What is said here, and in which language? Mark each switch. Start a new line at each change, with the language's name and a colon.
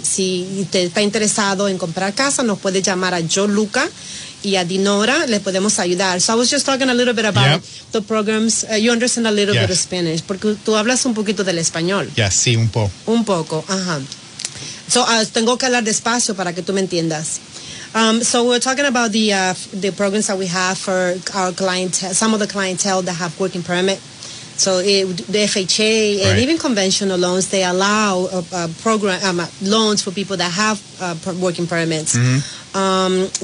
Spanish: Si te está interesado en comprar casa, nos puede llamar a yo, Luca, y a Dinorah, les podemos ayudar.
English: So I was just talking a little bit about the programs. You understand a little bit of Spanish,
Spanish: porque tú hablas un poquito del español. Yeah, sí, un poco. Un poco, ajá. So tengo que hablar despacio para que tú me entiendas.
English: So we're talking about the programs that we have for our clientele, some of the clientele that have working permit. So the FHA and even conventional loans, they allow loans for people that have working permits. Mm-hmm.